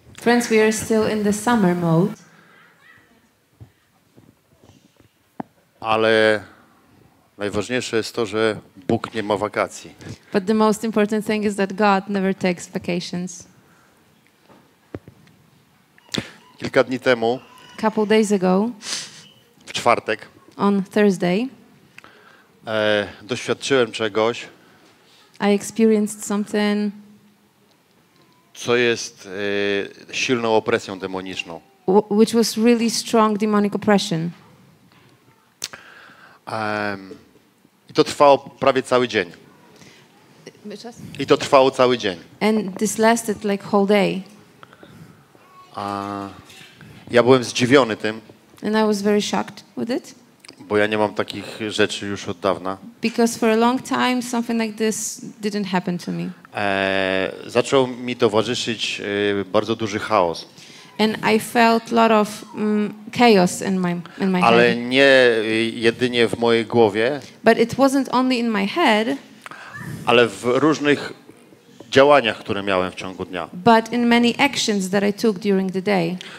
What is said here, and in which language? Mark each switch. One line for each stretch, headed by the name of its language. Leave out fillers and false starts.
English: Friends, we are still in the summer mode.
Polish: Ale najważniejsze jest to, że Bóg nie ma wakacji.
English: But the most important thing is that God never takes vacations.
Polish: Kilka dni temu.
English: Couple days ago.
Polish: W czwartek.
English: On Thursday.
Polish: Doświadczyłem czegoś.
English: I experienced something.
Polish: Co jest silną opresją demoniczną.
English: Which was really strong demonic oppression.
Polish: I to trwało prawie cały dzień. I to trwało cały dzień.
English: And this lasted like whole day.
Polish: Ja byłem zdziwiony tym.
English: And I was very shocked with it.
Polish: Bo ja nie mam takich rzeczy już od dawna.
English: Because for a long time something like this didn't happen to me.
Polish: Zaczął mi towarzyszyć bardzo duży chaos.
English: And I felt a lot of chaos in my head.
Polish: Ale nie jedynie w mojej głowie.
English: But it wasn't only in my head.
Polish: Ale w różnych działaniach, które miałem w ciągu dnia.
English: But in many actions that I took during the day.